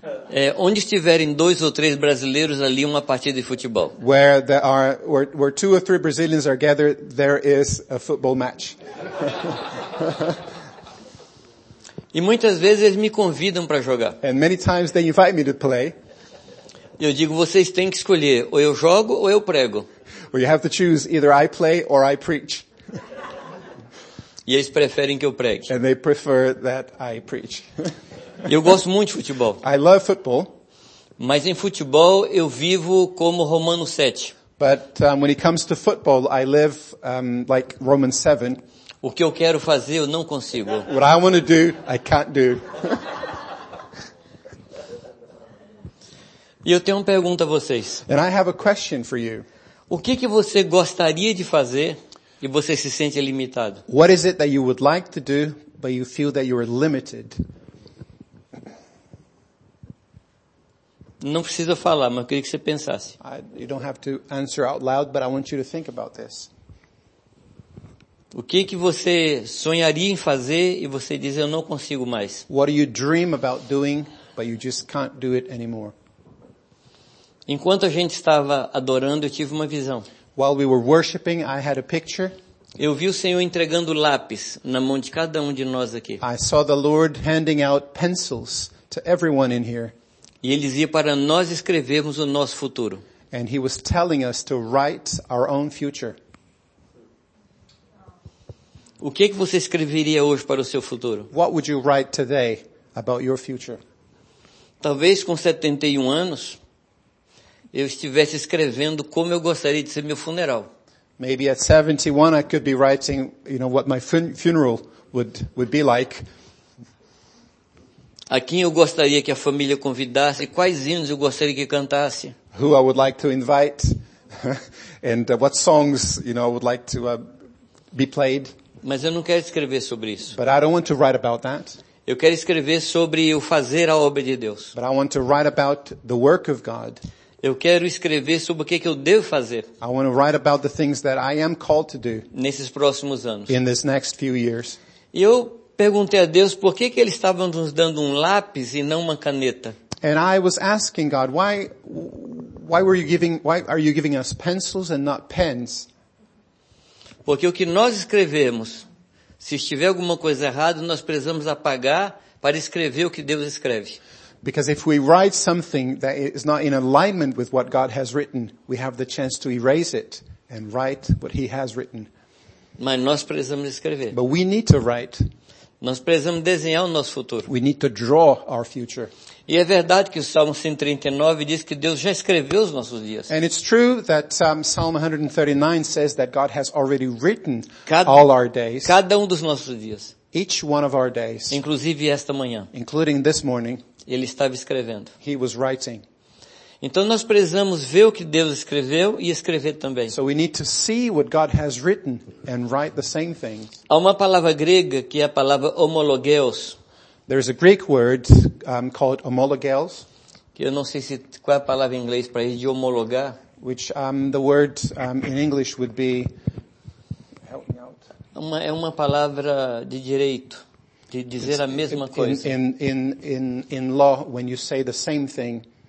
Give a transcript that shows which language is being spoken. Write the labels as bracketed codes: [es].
[pt] É, onde estiverem dois ou três brasileiros ali uma partida de futebol. [en] Where two or three Brazilians are gathered, there is a football match. [pt] E muitas vezes eles me convidam para jogar. [en] And many times they invite me to play. [pt] Eu digo, vocês têm que escolher, ou eu jogo ou eu prego. [en] Well, you have to choose, either I play or I preach. [pt] E eles preferem que eu pregue. [en] And they prefer that I preach. [pt] Eu gosto muito de futebol. [en] I love football. [pt] Mas em futebol eu vivo como Romanos 7. [en] But when it comes to football, I live like Romans 7. [pt] O que eu quero fazer, eu não consigo. [en] What I want to do, I can't do. [pt] E eu tenho uma pergunta a vocês. [en] And I have a question for you. [pt] O que que você gostaria de fazer e você se sente limitado? [en] What is it that you would like to do but you feel that you are limited? [pt] Não precisa falar, mas eu queria que você pensasse. [en] You don't have to answer out loud, but I want you to think about this. [pt] O que que você sonharia em fazer e você diz eu não consigo mais? [en] What do you dream about doing, but you just can't do it anymore? [pt] Enquanto a gente estava adorando, eu tive uma visão. [en] While we were worshiping, I had a picture. [pt] Eu vi o Senhor entregando lápis na mão de cada um de nós aqui. [en] I saw the Lord handing out pencils to everyone in here. [pt] E ele dizia para nós escrevermos o nosso futuro. [en] And he was telling us to write our own future. [pt] O que que você escreveria hoje para o seu futuro? [en] What would you write today about your future? [pt] Talvez com 71 anos eu estivesse escrevendo como eu gostaria de ser meu funeral. [en] Maybe at 71 I could be writing, you know, what my funeral would be like. [pt] A quem eu gostaria que a família convidasse, quais hinos eu gostaria que cantasse? [en] Who I would like to invite and what songs, you know, I would like to be played. [pt] Mas eu não quero escrever sobre isso. [en] But I don't want to write about that. [pt] Eu quero escrever sobre o fazer a obra de Deus. [en] But I want to write about the work of God. [pt] Eu quero escrever sobre o que que eu devo fazer. [en] I want to write about the things that I am called to do. [pt] Nesses próximos anos. [en] In this next few years. [pt] E eu perguntei a Deus por que que ele estava nos dando um lápis e não uma caneta. [en] And I was asking God, why are you giving us pencils and not pens? [pt] Porque o que nós escrevemos, se estiver alguma coisa errada, nós precisamos apagar para escrever o que Deus escreve. [en] Because if we write something that is not in alignment with what God has written, we have the chance to erase it and write what he has written. [pt] Mas nós precisamos escrever. [en] But we need to write. [pt] Nós precisamos desenhar o nosso futuro. [en] We need to draw our future. [pt] E é verdade que o Salmo 139 diz que Deus já escreveu os nossos dias. [en] And it's true that Psalm 139 says that God has already written all our days. [pt] Cada um dos nossos dias. [en] Each one of our days. [pt] Inclusive esta manhã. [en] Including this morning. [pt] Ele estava escrevendo. [en] He was writing. [pt] Então nós precisamos ver o que Deus escreveu e escrever também. [en] So we need to see what God has written and write the same thing. [pt] Há uma palavra grega que é a palavra homologeus. [en] There is a Greek word called homologeus. [pt] Que eu não sei se qual é a palavra em inglês para isso, de homologar. [en] Which the word in English would be. Help me out. [pt] É uma palavra de direito, de dizer a mesma coisa. [en] In law, when you say the same thing.